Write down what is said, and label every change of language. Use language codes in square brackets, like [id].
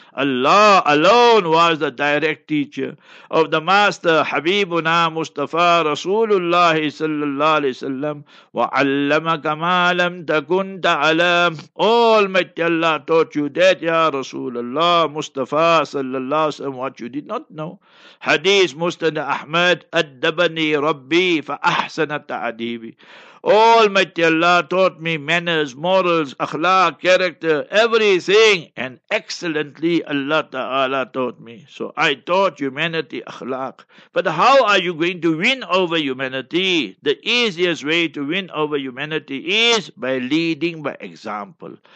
[en] Allah alone was the direct teacher of the master Habibuna Mustafa Rasulullah sallallahu alaihi wasallam. [ar] وَعَلَّمَكَ مَا لَمْ تَكُنْ تَعْلَمُ. [en] Almighty Allah taught you that, Ya Rasulullah Mustafa sallallahu alaihi wasallam, what you did not know. [ar] Hadith Mustafa Ahmad, أَدَّبَنِي رَبِّي فَأَحْسَنَ تَعْدِيبِ. [en] Almighty Allah taught me manners, morals, akhlaq, character, everything, and excellently Allah Ta'ala taught me. So I taught humanity akhlaq. But how are you going to win over humanity? The easiest way to win over humanity is by leading by example.